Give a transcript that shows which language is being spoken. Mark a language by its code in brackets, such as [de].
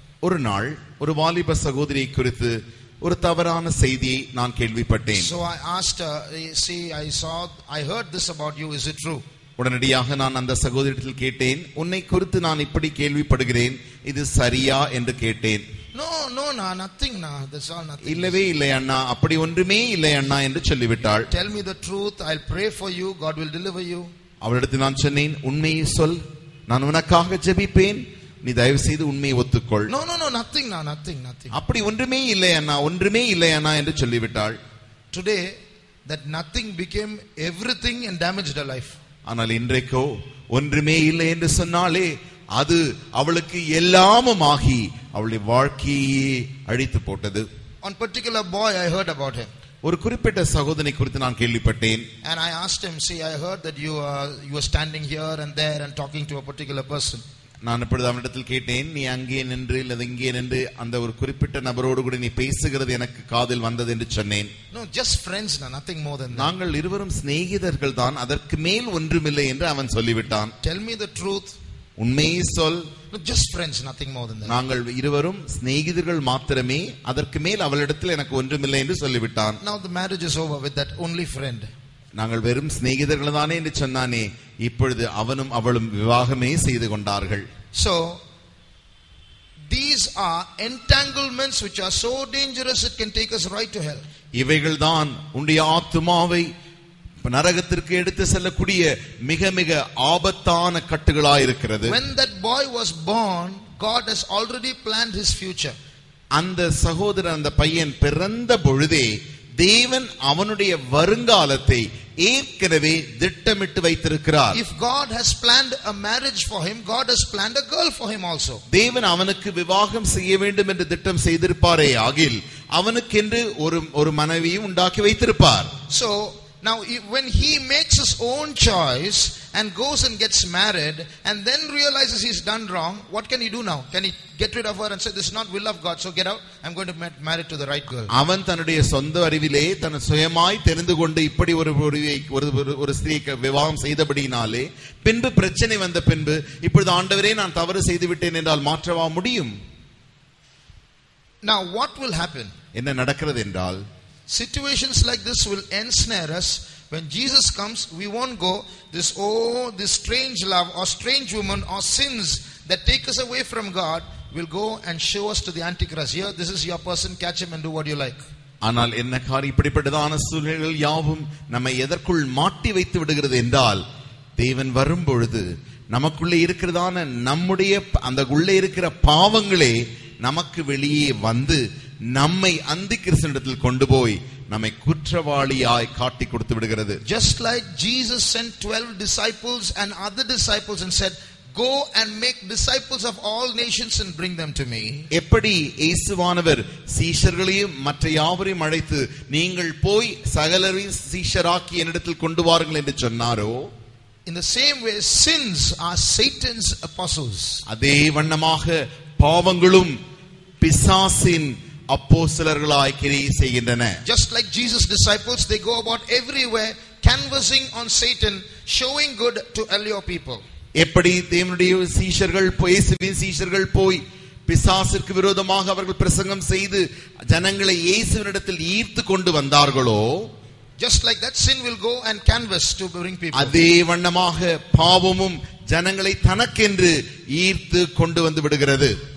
[ta] ஒரு நாள் ஒரு வாலிப சகோதரியை குறித்து ஒரு தவறான செய்தியை நான் கேள்விப்பட்டேன். [en] So I asked her, see, I saw, I heard this about you, is it true? [ta] உடனடியாக நான் அந்த சகோதரியிடத்தில் கேட்டேன், உன்னை குறித்து நான் இப்படி கேள்விப்படுகிறேன், இது சரியா என்று கேட்டேன். [en] No, no, nothing, that's all nothing. [ta] இல்லவே இல்லை அண்ணா, அப்படி ஒன்றுமே இல்லை அண்ணா என்று சொல்லிவிட்டாள். [en] Tell me the truth, I'll pray for you, God will deliver you. [ta] அவளிடத்தில் நான் சொன்னேன், உண்மையை சொல், நான் உனக்காக ஜெபிப்பேன், நீ தயவு செய்து உண்மையை ஒத்துக்கொள். [en] No, nothing. [ta] அப்படி ஒன்றுமே இல்லை அண்ணா, ஒன்றுமே இல்லை அண்ணா என்று சொல்லிவிட்டாள். [en] Today, that nothing became everything and damaged her life. [ta] ஆனால் இன்றைக்கோ ஒன்றுமே இல்லை என்று சொன்னாலே அது அவளுக்கு எல்லாமும் ஆகி அவளுடைய வாழ்க்கையே அழித்து போட்டது. [en] One particular boy, I heard about him. [ta] ஒரு குறிப்பிட்ட சகோதரனை குறித்து நான் கேள்விப்பட்டேன். [en] And I asked him, see, I heard that you are standing here and there and talking to a particular person. [ta] நான் இப்படி அவனிடத்தில் கேட்டேன், நீ அங்கே நின்று இல்லது இங்கே நின்று அந்த ஒரு குறிப்பிட்ட நபரோடு கூட நீ பேசுகிறது எனக்கு காதில் வந்தது என்று சொன்னேன். [en] No, just friends, nothing more than that. [ta] நாங்கள் இருவரும் சிநேகிதர்கள் தான், அதற்கு மேல் ஒன்றுமில்லை என்று அவன் சொல்லிவிட்டான். [en] Tell me the truth. [ta] உண்மையை சொல். [en] No, just friends, nothing more than that. [ta] நாங்கள் இருவரும் சிநேகிதர்கள் மாத்திரமே, அதற்கு மேல் அவளிடத்தில் எனக்கு ஒன்றுமில்லை என்று சொல்லிவிட்டான். [en] Now the marriage is over with that only friend. [ta] நாங்கள் வெறும் சிநேகிதர்கள் தானே என்று சொன்னானே, இப்பொழுது அவனும் அவளும் விவாகமே செய்து கொண்டார்கள். [en] So these are entanglements which are so dangerous it can take us right to hell. [ta] இவைகள் தான் உன்னுடைய ஆத்துமாவை நரகத்திற்கு எடுத்து செல்லக்கூடிய மிக மிக ஆபத்தான கட்டுகளாய் இருக்கிறது. [en] When that boy was born, God has already planned his future. [ta] அந்த சகோதரன் அந்த பையன் பிறந்த பொழுதே தேவன் அவனுடைய வருங்காலத்தை ஏற்கனவே திட்டமிட்டு வைத்திருக்கிறார். [en] If God has planned a marriage for him, God has planned a girl for him also. [ta] தேவன் அவனுக்கு விவாகம் செய்ய வேண்டும் என்று திட்டம் செய்திருப்பாரே ஆகில் அவனுக்கென்று ஒரு மனைவியை உண்டாக்கி வைத்திருப்பார். [en] So now when he makes his own choice and goes and gets married and then realizes he's done wrong, what can he do now? Can he get rid of her and say, this is not will of God, so get out, I'm going to get married to the right girl? [ta] அவன் தன்னுடைய சொந்த அறிவிலே தன் சுயமாய் தெரிந்து கொண்டு இப்படி ஒரு ஸ்திரீக்கு விவாகம் செய்தபடியினாலே பின்பு பிரச்சனை வந்த பின்பு இப்பொழுது ஆண்டவரே நான் தவறு செய்து விட்டேன் என்றால் மாற்றவா முடியும்? [en] Now what will happen? [ta] என்ன நடக்கிறது என்றால், [en] situations like this will ensnare us. When Jesus comes, we won't go. This strange love or strange woman or sins that take us away from God will go and show us to the Antichrist. Here, this is your person, catch him and do what you like. [ta] ஆனால் என்ன காரி, இப்படிப்பட்டதான சூழ்நிலைகள் யாவும் நம்மை எதற்குள் மாட்டி வைத்து விடுகிறது என்றால், தேவன் வரும் பொழுது நமக்குள்ளே இருக்கிறதான நம்முடைய அந்த உள்ளே இருக்கிற பாவங்களே நமக்கு வெளியே வந்து நம்மை அந்த கிருஷ்ணனிடத்தில் கொண்டு போய் நம்மை குற்றவாளியாய் காட்டி கொடுத்து விடுகிறது. [en] Just like Jesus sent 12 disciples and other disciples and said, go and make disciples of all nations and bring them to me. [ta] எப்படி இயேசுவானவர் சீஷர்களையும் மற்ற யாவரையும் அழைத்து நீங்கள் போய் சகலரையும் சீஷராக்கி என்னிடத்தில் கொண்டு வாருங்கள் என்று சொன்னாரோ, [en] in the same way sins are Satan's apostles. [ta] அதே வண்ணமாக பாவங்களும் பிசாசின் அப்போஸ்தலர்களாய் கிரியை செய்கின்றன. [en] Just like Jesus' disciples, they go about everywhere canvassing on Satan, showing good to all your people. [ta] எப்படி தேவனுடைய சீஷர்கள் போய் இயேசுவின் சீஷர்கள் போய் பிசாசிற்கு விரோதமாக அவர்கள் பிரசங்கம் செய்து ஜனங்களை இயேசுவினிடத்தில் ஈர்த்து கொண்டு வந்தார்களோ, [en] just like that sin will go and canvass to bring people. [ta] அதே வண்ணமாக பாவமும் ஜனங்களை தனக்கென்று ஈர்த்து கொண்டு வந்து விடுகிறது.